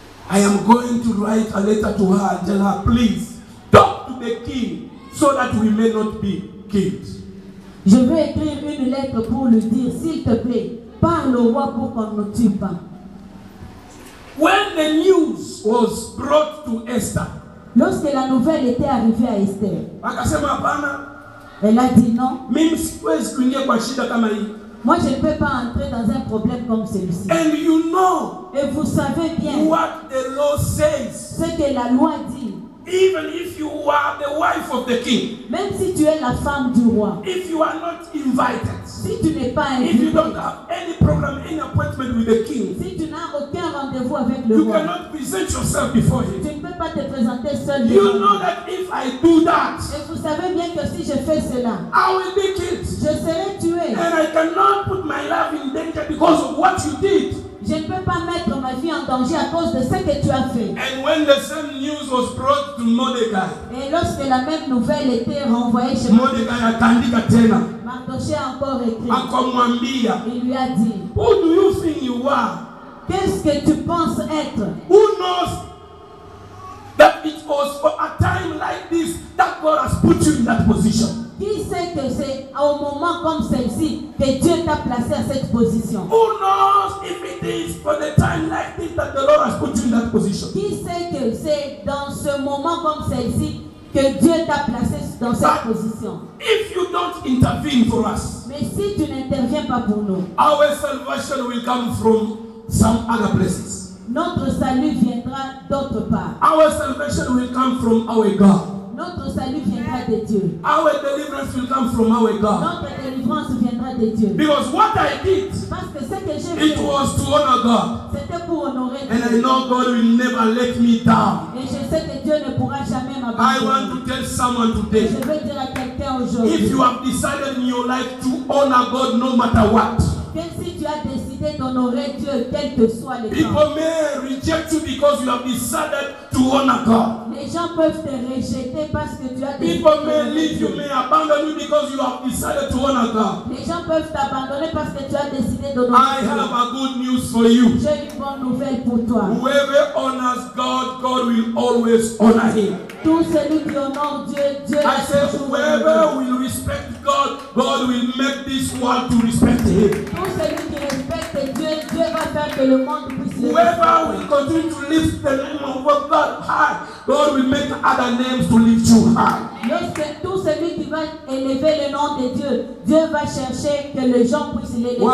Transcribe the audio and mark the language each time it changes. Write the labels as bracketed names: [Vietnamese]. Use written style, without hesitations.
[English] I am going to write a letter to her and tell her, please, talk to the king so that we may not be killed. [French] Je vais écrire une lettre pour lui dire, s'il te plaît, parle au roi pour qu'on ne tue pas. [English] When the news was brought to Esther, [French] lorsque la nouvelle était arrivée à Esther, [Swahili] akasema hapana, [French] elle a dit non. [Swahili] Mimi siwezi kuingia kwa shida kama hii. [French] Moi, je ne peux pas entrer dans un problème comme celui-ci. [English] And you know, [French] et vous savez bien [English] what the law says, [French] ce que la loi dit. [English] Even if you are the wife of the king, [French] même si tu es la femme du roi, [English] if you are not invited, [French] si tu n'es pas invité, [English] if you don't have any program, any appointment with the king, [French] si tu n'as aucun rendez-vous avec le [English] you [French] roi, [English] cannot present yourself before him, [French] tu ne peux pas te présenter seul. [English] You know that if I do that, [French] et vous savez bien que si je fais cela, [English] I will be killed. [French] Je serai tué. [English] And I cannot put my life in danger because of what you did. [French] Je ne peux pas mettre ma vie en danger à cause de ce que tu as fait. [English] And when the same news was brought to Mordecai, [French] et lorsque la même nouvelle était renvoyée chez Mordecai, attendit à tena. Mardochée a encore écrit. [Swahili] Akomwambia. [French] Il lui a dit. [English] Who do you think you are? [French] Qu'est-ce que tu penses être? [English] Who knows that it was for a time like this that God has put you in that position? [French] Qui sait que c'est au moment comme celle-ci que Dieu t'a placé à cette position? [English] Who knows if it is for the time like this that the Lord has put you in that position? [French] Qui sait que c'est dans ce moment comme celle-ci que Dieu t'a placé dans cette position? [English] If you don't intervene for us, [French] mais si tu n'interviens pas pour nous, [English] our salvation will come from some other places. [French] Notre salut viendra d'autre part. [English] Our salvation will come from our God. [French] Notre salut viendra de Dieu. [English] Our deliverance will come from our God. [French] Notre délivrance viendra de Dieu. [English] Because what I did, [French] parce que ce que j'ai [English] it [French] fait, [English] was to honor God. [French] C'était pour honorer [English] and [French] Dieu. [English] And I know God will never let me down. [French] Et je sais que Dieu ne pourra jamais m'abandonner. [English] I want to tell someone today. [French] Et je veux dire à quelqu'un aujourd'hui. [English] If you have decided in your life to honor God no matter what. [French] Que si tu as décidé d'honorer Dieu, quel que soit le temps. [English] People may reject you because you have decided to honor God. [French] Les gens peuvent te rejeter parce que tu as décidé. [English] People may leave you, may abandon you because you have decided to honor God. [French] Les gens peuvent t'abandonner parce que tu as décidé d'honorer [English] Dieu. I have a good news for you. [French] J'ai une bonne nouvelle pour toi. [English] Whoever honors God, God will always honor him. [French] Tout celui qui honore Dieu, Dieu [English] I say, whoever will respect God, God will make this world to respect him. [French] Tout celui qui respecte Dieu, Dieu va faire que le monde puisse le respecter. [English] Whoever will continue to lift the name of God high, God will make other names to lift you high. [French] Lorsque tout celui qui va élever le nom de Dieu, Dieu va chercher que les gens puissent l'élever.